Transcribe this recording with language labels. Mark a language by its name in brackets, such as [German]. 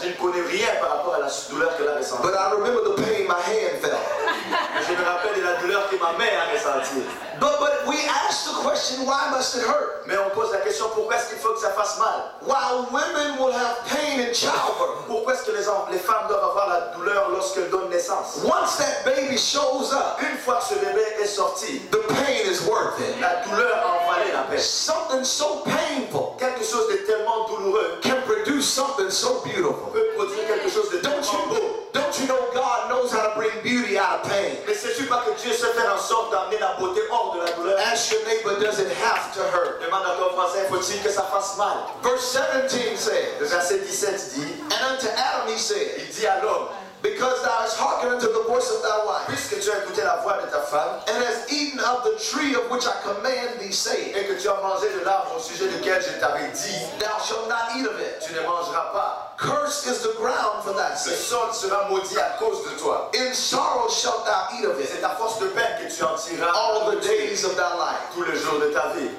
[French] Je ne connais rien par rapport à la douleur qu'elle a ressentie. [English] But I remember the pain my hand felt. [French] Je me rappelle de la douleur que ma main a ressentie. [English] But we ask the question, why must it hurt? [French] Mais on pose la question, pourquoi est-ce qu'il faut que ça fasse mal? [English] While women will have pain in childbirth, [French] pourquoi est-ce que les femmes doivent avoir la douleur lorsqu'elles donnent naissance? [English] Once that baby shows up, [French] une fois que ce bébé est sorti, [English] the pain is worth it. [French] La douleur en valait la peine. [English] Something so painful, [French] quelque chose de tellement douloureux, [English] can produce something so beautiful. [French] Peut produire quelque chose de tellement beau. [English] Don't you know God knows how to bring beauty out of pain? [French] Mais sais-tu pas que Dieu sait faire en sorte d'amener la beauté hors de la douleur? [English] Ask your neighbor, does it have to hurt? [French] Demande à ton voisin, faut-il que ça fasse mal? [English] Verse 17 says. [French] Verset 17 dit. [English] And unto Adam he said. [French] Il dit à l'homme. [English] Because thou hast hearkened unto the voice of thy wife. [French] Puisque tu as écouté la voix de ta femme. [English] And hast eaten of the tree of which I command thee, say. [French] Et que tu as mangé de l'arbre au sujet duquel je t'avais dit. [English] Thou shalt not eat of it. [French] Tu ne mangeras pas. [English] Curse is the ground for that sake. [French] Le sol sera maudit à cause de toi. [English] In sorrow shalt thou eat of it. [French] C'est ta force de peine que tu en tireras. [English] All the days of thy life. [French] Tous les jours de ta vie.